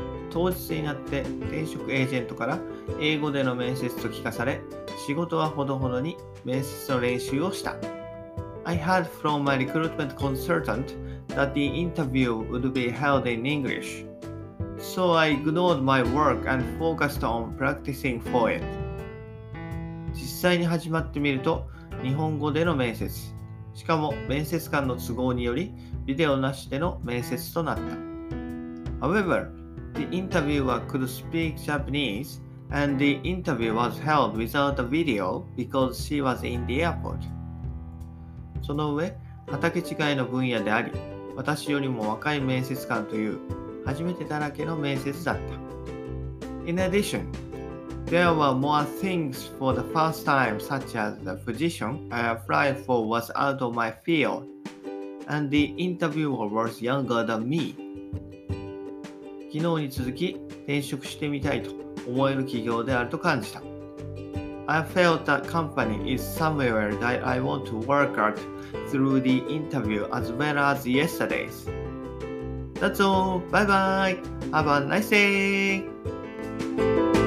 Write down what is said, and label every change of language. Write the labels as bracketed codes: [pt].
[ja] 当日になって転職エージェントから英語での面接と聞かされ、仕事はほどほどに面接の練習をした。 [en] I heard from my recruitment consultant that the interview would be held in English. So I ignored my work and focused on practicing for it. [ja] 実際に始まってみると、日本語での面接。しかも面接官の都合により、ビデオなしでの面接となった。 [en] However, the interviewer could speak Japanese and the interview was held without a video because she was in the airport. [ja] その上、畑違いの分野であり、私よりも若い面接官という、初めてだらけの面接だった。 [en] In addition, there were more things for the first time, such as the position I applied for was out of my field, and the interviewer was younger than me. [ja] 昨日に続き、転職してみたいと思える企業であると感じた。 [en] I felt that company is somewhere that I want to work at through the interview as well as yesterday's. That's all. Bye bye. Have a nice day.